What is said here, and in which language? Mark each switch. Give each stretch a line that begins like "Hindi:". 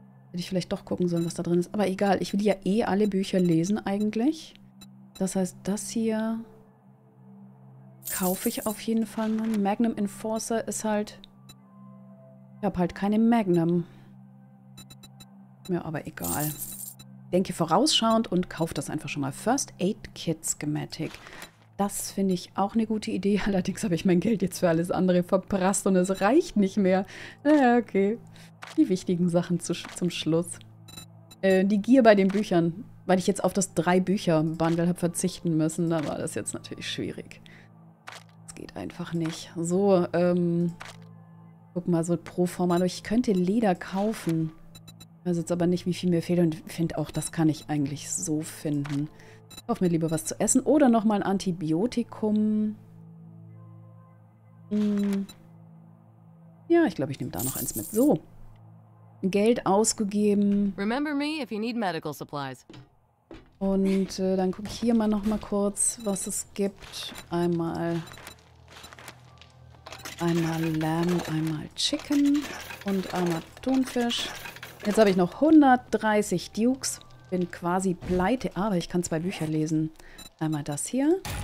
German: Hätte ich vielleicht doch gucken sollen, was da drin ist. Aber egal, ich will ja eh alle Bücher lesen eigentlich. Das heißt, das hier kaufe ich auf jeden Fall mal. Magnum Enforcer ist halt. Ich habe halt keine Magnum. Mir aber egal. Denke vorausschauend und kaufe das einfach schon mal. First Aid Kit Schematic. Das finde ich auch eine gute Idee. Allerdings habe ich mein Geld jetzt für alles andere verprasst und es reicht nicht mehr. Okay. Die wichtigen Sachen zum Schluss. Die Gier bei den Büchern, weil ich jetzt auf das 3-Bücher-Bundle habe verzichten müssen, da war das jetzt natürlich schwierig. Das geht einfach nicht. So, guck mal, so pro forma. Ich könnte Leder kaufen. Ich weiß jetzt aber nicht, wie viel mir fehlt und finde auch, das kann ich eigentlich so finden. Kauf mir lieber was zu essen oder nochmal ein Antibiotikum. Ja, ich glaube, ich nehme da noch eins mit. So. Geld ausgegeben.
English: Remember me if you need medical supplies.
German: Und dann gucke ich hier mal nochmal kurz, was es gibt. Einmal Lamb, einmal Chicken und einmal Thunfisch. Jetzt habe ich noch 130 Dukes. Bin quasi pleite, aber ich kann 2 Bücher lesen. Einmal das hier